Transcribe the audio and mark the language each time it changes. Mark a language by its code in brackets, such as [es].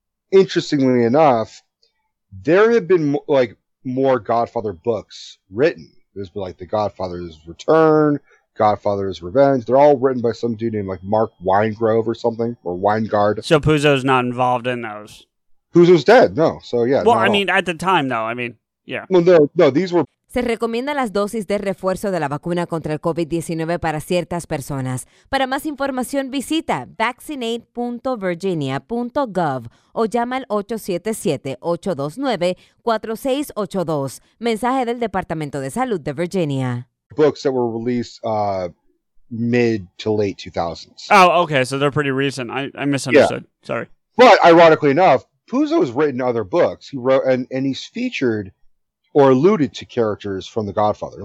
[en] Interestingly enough, there have been more Godfather books written. There's been, like, The Godfather's Return, Godfather's Revenge. They're all written by some dude named like Mark Weingrove or something, or Weingard. So Puzo's not involved in those. Puzo's dead, no. So yeah. Well, I mean, at the time, though, I mean, yeah. Well, no, these were. [es] Se recomienda las dosis de refuerzo de la vacuna contra el COVID-19 para ciertas personas. Para más información, visita vaccinate.virginia.gov o llama al 877-829-4682. Mensaje del Departamento de Salud de Virginia. [en] Books that were released mid to late 2000s. Oh, okay. So they're pretty recent. I misunderstood. Yeah. Sorry. But ironically enough, Puzo has written other books. He wrote and he's featured or alluded to characters from The Godfather.